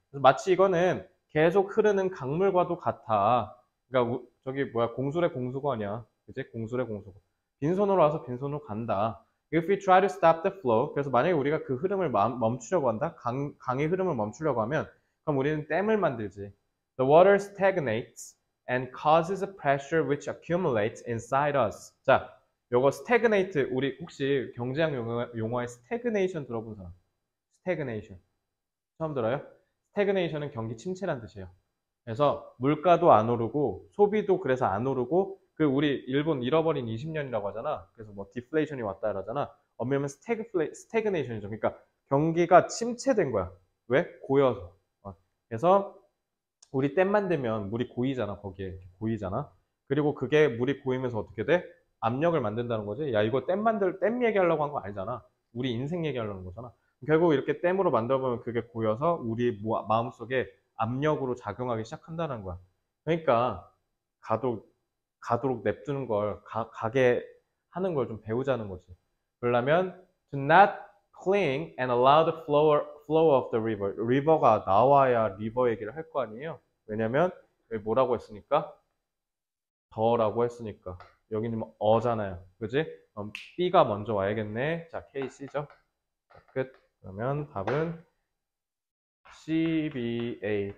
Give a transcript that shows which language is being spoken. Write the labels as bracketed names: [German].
[Korean] 그래서 마치 이거는 계속 흐르는 강물과도 같아. 그러니까 저기 뭐야, 공수래 공수거 아니야. 그지? 공수래 공수거. 빈손으로 와서 빈손으로 간다. [English] if we try to stop the flow. [Korean] 그래서 만약에 우리가 그 흐름을 멈추려고 한다. 강의 흐름을 멈추려고 하면 그럼 우리는 댐을 만들지. [English] The water stagnates and causes a pressure which accumulates inside us. 자, [Korean] 요거 스태그네이트, 우리 혹시 경제학 용어의 스태그네이션 들어본 사람? 스태그네이션. 처음 들어요? 스태그네이션은 경기 침체란 뜻이에요. 그래서 물가도 안 오르고 소비도 그래서 안 오르고 그 우리 일본 잃어버린 20년이라고 하잖아. 그래서 뭐 디플레이션이 왔다 이러잖아. 어미면 스태그네이션이죠. 그러니까 경기가 침체된 거야. 왜? 고여서. 그래서 우리 댐 만들면 물이 고이잖아. 거기에 고이잖아. 그리고 그게 물이 고이면서 어떻게 돼? 압력을 만든다는 거지. 야, 이거 댐 얘기하려고 한거 아니잖아. 우리 인생 얘기하려는 거잖아. 결국 이렇게 댐으로 만들어 보면 그게 고여서 우리 마음속에 압력으로 작용하기 시작한다는 거야. 그러니까 가도록 냅두는 걸 가게 하는 걸좀 배우자는 거지. [English] 그러려면 to not cling and allow the flow of the river. [Korean] 리버가 나와야 리버 얘기를 할거 아니에요. 왜냐면 여기 뭐라고 했으니까? 더라고 했으니까. 여기는 어잖아요. 그지? 그럼 B가 먼저 와야겠네. 자, KC죠. 끝. 그러면 답은 CBA.